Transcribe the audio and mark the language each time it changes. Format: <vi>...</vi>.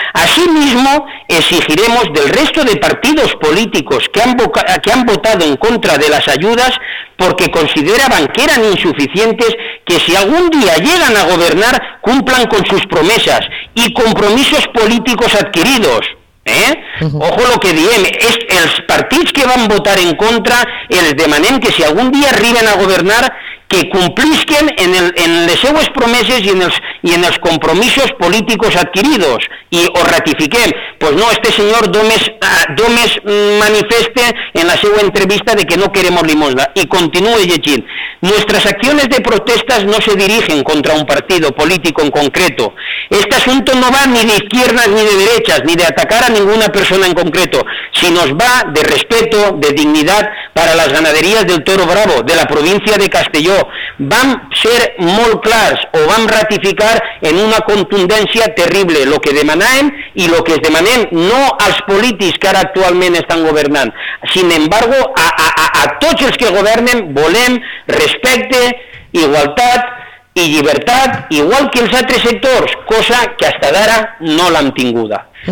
<es>Asimismo, exigiremos del resto de partidos políticos que han votado en contra de las ayudas porque consideraban que eran insuficientes, que si algún día llegan a gobernar cumplan con sus promesas y compromisos políticos adquiridos.</es> <ca>Ojo lo que diem, és els partits que van votar en contra els demanem que si algun dia arriben a governar que complisquen en les seues promeses i en els compromisos polítics adquirits i ho ratifiquem.</ca> <es>Pues no, este</es> <ca>senyor només manifeste en la seva entrevista de que</ca> <es>no queremos limosna</es> <ca>i continue llegint:</ca> <es>nuestras acciones de protestas no se dirigen contra un partido político en concreto. Este asunto no va ni de izquierdas ni de derechas, ni de atacar a ninguna persona en concreto, sino va de respeto, de dignidad para las ganaderías del Toro Bravo de la provincia de Castelló.</es> <ca>Vam ser molt clars o vam ratificar en una contundència terrible lo que demanàvem i lo que es demanem no als polítics que ara actualment estan governant.</ca> <es>Sin embargo,</es> <ca>a tots els que governen volem respecte, igualtat i llibertat, igual que els altres sectors, cosa que hasta d'ara no l'han tinguda.</ca>